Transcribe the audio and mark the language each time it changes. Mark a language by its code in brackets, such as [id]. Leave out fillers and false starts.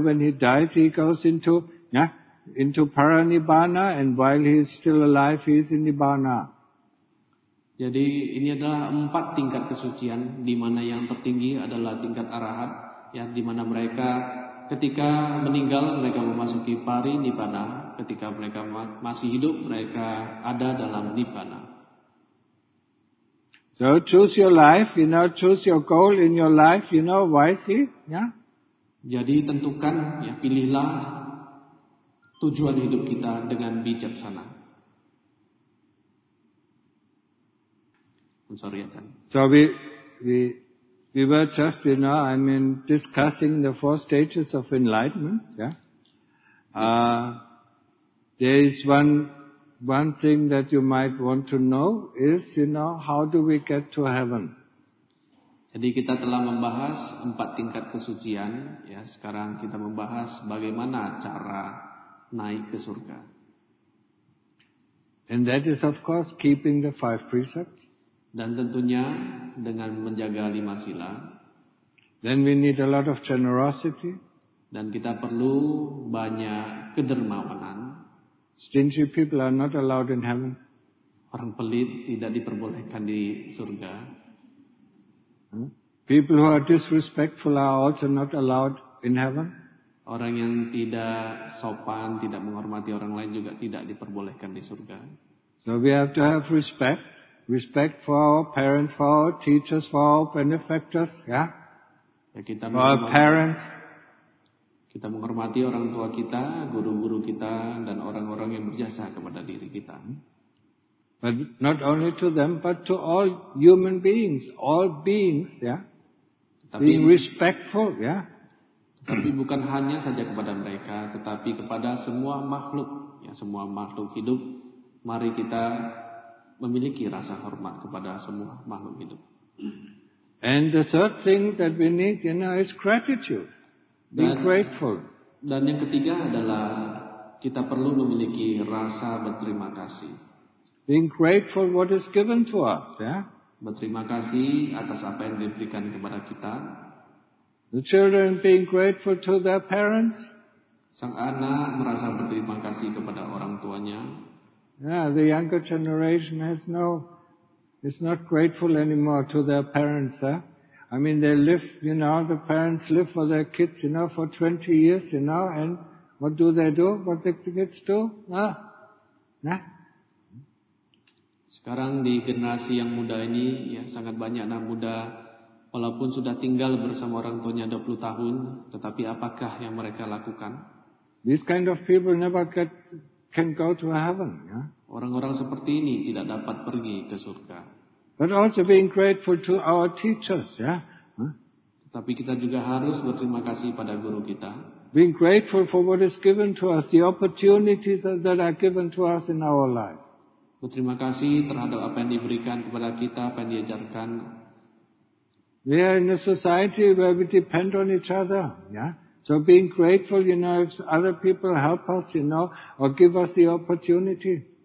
[en] When he dies, he goes into paranibbana, and while he is still alive, he is in nibbana. [id] Jadi ini adalah empat tingkat kesucian, di mana yang tertinggi adalah tingkat arahat, ya, di mana mereka ketika meninggal mereka memasuki parinibbana, ketika mereka masih hidup mereka ada dalam nibbana. [en] So choose your life, you know, choose your goal in your life, you know, wisely, yeah. [id] Jadi tentukan, ya, pilihlah tujuan hidup kita dengan bijaksana. [en] I'm sorry, Achan. So we were just, you know, I mean, discussing the four stages of enlightenment, yeah. There is one thing that you might want to know is, you know, how do we get to heaven? [id] Jadi kita telah membahas empat tingkat kesucian, ya. Sekarang kita membahas bagaimana cara naik ke surga. [en] And that is of course keeping the five precepts. [id] Dan tentunya dengan menjaga lima sila. [en] Then we need a lot of generosity. [id] Dan kita perlu banyak kedermawanan. [en] Stingy people are not allowed in heaven. [id] Orang pelit tidak diperbolehkan di surga. [en] People who are disrespectful are also not allowed in heaven. [id] Orang yang tidak sopan, tidak menghormati orang lain juga tidak diperbolehkan di surga. [en] So we have to have respect. Respect for our parents, for our teachers, for our benefactors, yeah? [id] Ya, kita [en] for our parents. [id] Kita menghormati orang tua kita, guru-guru kita, dan orang-orang yang berjasa kepada diri kita. [en] But not only to them, but to all human beings, all beings, yeah. [id] Tapi, [en] being respectful, yeah. [id] Tapi bukan hanya saja kepada mereka, tetapi kepada semua makhluk, ya, semua makhluk hidup. Mari kita memiliki rasa hormat kepada semua makhluk hidup. [en] And the third thing that we need, you know, is gratitude. Be grateful. [id] Dan yang ketiga adalah kita perlu memiliki rasa berterima kasih. [en] Being grateful what is given to us, yeah. [id] Berterima kasih atas apa yang diberikan kepada kita. [en] The children being grateful to their parents. [id] Sang anak merasa berterima kasih kepada orang tuanya. [en] Yeah, the younger generation is not grateful anymore to their parents, huh? I mean, they live, you know, the parents live for their kids, you know, for 20 years, you know, and what do they do? What the kids do? [id] Sekarang di generasi yang muda ini, ya, sangat banyak anak muda, walaupun sudah tinggal bersama orang tuanya 20 tahun, tetapi apakah yang mereka lakukan? [en] These kind of people never can go to heaven, ya. [id] Orang-orang seperti ini tidak dapat pergi ke surga. [en] But also being grateful to our teachers, yeah. [id] Tetapi kita juga harus berterima kasih pada guru kita. [en] Being grateful for what is given to us, the opportunities that are given to us in our life. [id] Berterima kasih terhadap apa yang diberikan kepada kita, apa yang diajarkan. [en] We are in a society where we depend on each other, yeah. So being grateful, you know, if other people help us, you know, or give us the opportunity.